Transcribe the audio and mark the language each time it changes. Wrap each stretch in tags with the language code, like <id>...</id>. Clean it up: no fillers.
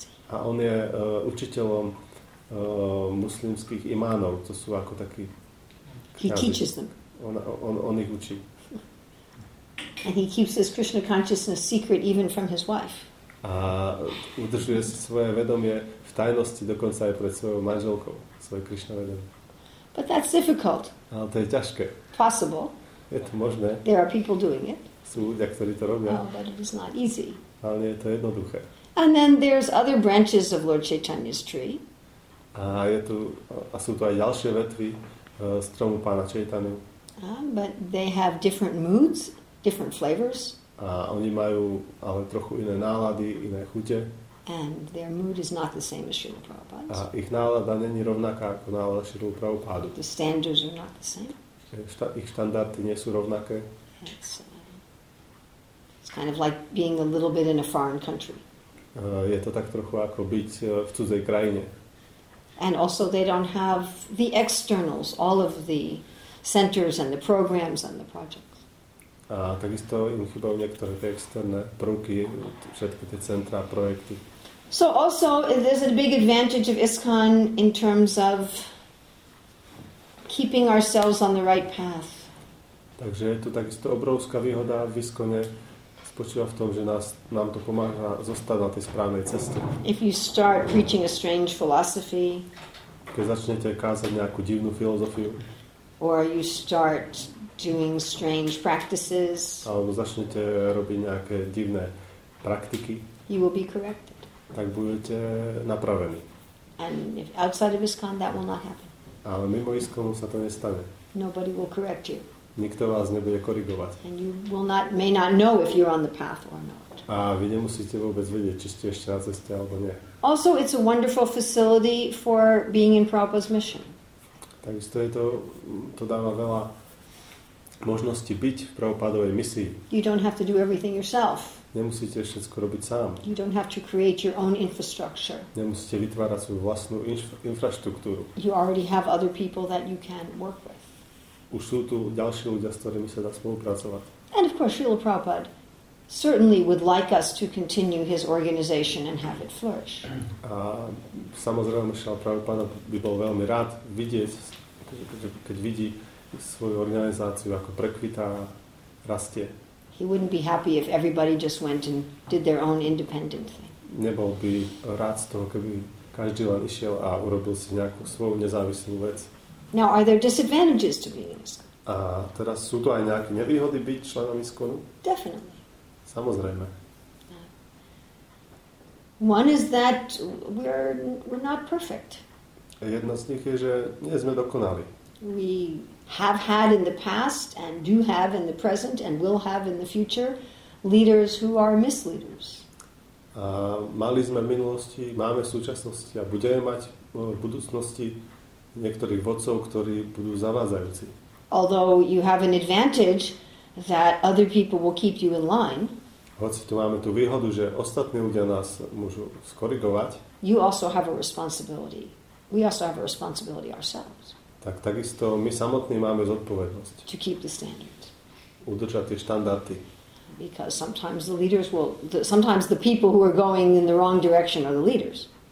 <sk>A on je učiteľom muslimských imánov, to sú ako takí.</sk> <en>He teaches them.</en> <sk>On ich učí.</sk> <en>And he keeps his Krishna consciousness secret even from his wife.</en> <sk>A udržuje svoje vedomie v tajnosti dokonca aj pred svojou manželkou, svoje Krishna vedomie.</sk> <en>But that's difficult.</en> <sk>Ale to je ťažké.</sk> <en>Possible.</en> <sk>Je to možné.</sk> <en>There are people doing it.</en> <sk>Sú ľudia, ktorí to robia.</sk> <en>Oh, but it is not easy.</en> <sk>Ale nie je to jednoduché.</sk> <en>And then there's other branches of Lord Chaitanya's tree.</en> <sk>A je tu, a sú tu aj ďalšie vetvy stromu pána Chaitanyu.</sk> <en>But they have different moods, different flavors.</en> <sk>A oni majú ale trochu iné nálady, iné chute.</sk> <en>And their mood is not the same as Srila Prabhupada's.</en> <sk>A ich nálada není rovnaká ako nálada Srila Prabhupada.</sk> <en>The standards are not the same.</en> <sk>Ich štandardy nie sú rovnaké.</sk> <en>It's kind of like being a little bit in a foreign country.</en> <sk>Je to tak trochu ako byť v cudzej krajine.</sk> <en>And also they don't have the externals, all of the centers and the programs and the projects.</en> <sk>A takisto im chýbajú niektoré tie externé prvky, všetky tie centra, projekty.</sk> <en>So also there's a big advantage of ISKCON in terms of keeping ourselves on the right path.</en> <sk>Takže je to takisto obrovská výhoda v ISKCONe. Spočíva v tom, že nám to pomáha zostať na tej správnej ceste.</sk> <en>If you start preaching a strange philosophy,</en> <sk>keď začnete kázať nejakú divnú filozofiu,</sk> <en>or you start doing strange practices,</en> <sk>alebo začnete robiť nejaké divné praktiky,</sk> <en>you will be corrected.</en> <sk>Tak budete napravení.</sk> <en>And if outside of ISKCON, that will not happen.</en> <sk>Ale mimo ISKCON sa to nestane.</sk> <en>Nobody will correct you.</en> <sk>Nikto vás nebude korigovať.</sk> <en>And you will not, may not know if you're on the path or not.</en> <sk>A vy nemusíte vôbec vedieť, či ste ešte na ceste alebo nie.</sk> <en>Also, it's a wonderful facility for being in Prabhupada's mission.</en> <sk>Takisto je to dáva veľa možností byť v Prabhupádovej misii.</sk> <en>You don't have to do everything yourself.</en> <sk>Nemusíte všetko robiť sám.</sk> <en>You don't have to create your own infrastructure.</en> <sk>Nemusíte vytvárať svoju vlastnú infraštruktúru.</sk> <en>You already have other people that you can work with.</en> <sk>Už sú tu ďalšie ľudia, s ktorými sa dá spolupracovať.</sk> <en>And of course, Srila Prabhupada certainly would like us to continue his organization and have it flourish.</en> <sk>A samozrejme, Srila Prabhupada by bol veľmi rád vidieť, keď vidí svoju organizáciu, ako prekvitá, rastie.</sk> <en>He wouldn't be happy if everybody just went and did their own independent thing.</en> <sk>Nebol by rád z toho, keby každý len išiel a urobil si nejakú svoju nezávislú vec.</sk> <en>Now, are there disadvantages to being in ISKCON?</en> <sk>A teraz sú tu aj nejaké nevýhody byť členom ISKCONu?</sk> <en>Definitely.</en> <sk>Samozrejme.</sk> <en>One is that we're not perfect.</en> <sk>Jedna z nich je, že nie sme dokonali.</sk> <en>We have had in the past and do have in the present and will have in the future leaders who are misleaders.</en> <sk>A mali sme v minulosti, máme v súčasnosti a budeme mať v budúcnosti niektorých vodcov, ktorí budú zavádzajúci.</sk> <en>Although you have an advantage that other people will keep you in line.</en> <sk>Hoci tu máme tú výhodu, že ostatní ľudia nás môžu skorigovať.</sk> <en>You also have a responsibility. We also have a responsibility ourselves.</en> <sk>Tak takisto my samotní máme zodpovednosť.</sk> <en>To keep the standards.</en> <sk>Udržať tie štandardy.</sk> <en>Because sometimes the leaders will sometimes the people who are going in the wrong direction are the leaders.</en>